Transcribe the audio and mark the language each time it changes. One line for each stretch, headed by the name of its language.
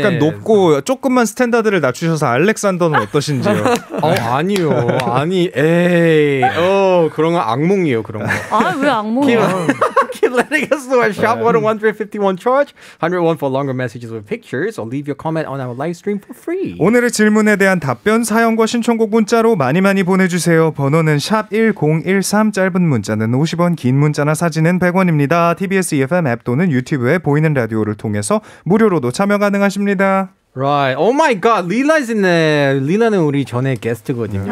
Korean: 약간 높고 조금만 스탠다드를 낮추셔서 알렉산더는 어떠신지요? 어, 아니요. 아니, 에이. 어, 그런 건 악몽이에요, 그런 건. 아, 왜 악몽이야?
English: Keep letting us know at shop 101.351 charge 101 for longer messages with pictures or leave your comment on our live stream for free.
Korean: 오늘의 질문에 대한 답변 사연과 신청곡 문자로 많이 많이 보내주세요. 번호는 샵 1013 짧은 문자는 50원 긴 문자나 사진은 100원입니다. TBS EFM 앱 또는 유튜브에 보이는 라디오를 통해서 무료로도 참여 가능하십니다.
English: Right. Oh my god. Lila is in there.
Korean: Lila는 우리 전에 게스트거든요.